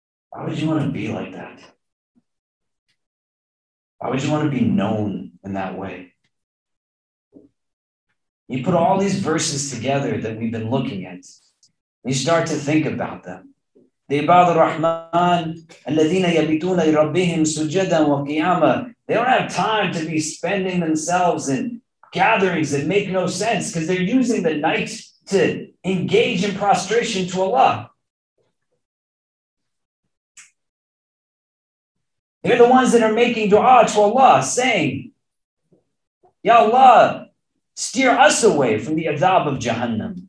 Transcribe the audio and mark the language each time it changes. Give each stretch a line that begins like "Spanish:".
English: Why would you want to be like that? Why would you want to be known in that way? You put all these verses together that we've been looking at. You start to think about them.
Arabic: The Ibad al-Rahman, الَّذِينَ يَبِتُونَ لِرَبِّهِمْ سُجَدًا وَقِيَامًا.
English: They don't have time to be spending themselves in gatherings that make no sense, because they're using the night to engage in prostration to Allah. They're the ones that are making dua to Allah, saying, Ya Allah, steer us away from the adab of Jahannam.